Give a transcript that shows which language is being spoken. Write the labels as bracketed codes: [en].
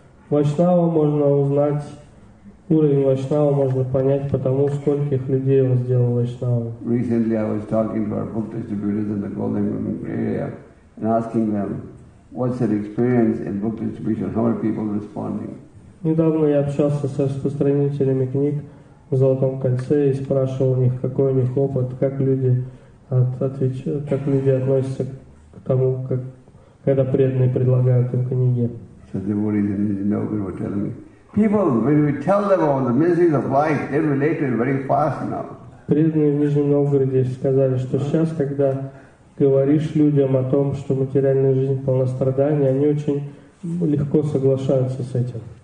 [ru] Вайшнава можно узнать, уровень Вайшнава можно понять по тому, скольких людей он сделал Вайшнава. [en] Recently I was talking to our book distributors in the Golden area and asking them, what's their experience in book distribution? How are people responding? [ru] Недавно я общался с распространителями книг в Золотом кольце и спрашивал у них, какой у них опыт, как люди относятся к тому, как, когда преданные предлагают им книги. [en] So the devotees in Nogar were telling me, people, when we tell them all the miseries of life, they relate to it very fast now. [ru] Преданные в Нижнем Новгороде сказали, что сейчас, когда говоришь людям о том, что материальная жизнь полна страданий, они очень легко соглашаются с этим.